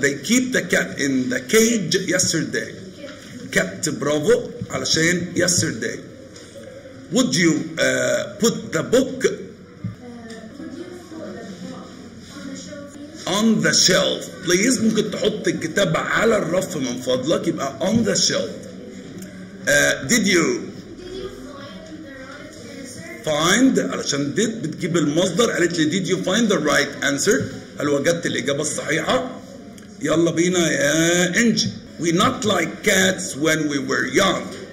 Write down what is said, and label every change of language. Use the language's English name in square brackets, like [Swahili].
[English] They keep the cat in the cage yesterday. Kept [Arabic] برافو علشان [English] yesterday. Would you put the book on the shelf, please? [Arabic] ممكن تحط الكتاب على الرف من فضلك. [English] يبقى on the shelf. Did you find the right answer? [Arabic] علشان did بتجيب المصدر. قالت لي [English] did you find the right answer؟ [Arabic] هل وجدت الإجابة الصحيحة؟ يلا بينا يا إنجي. [English] We not like cats when we were young.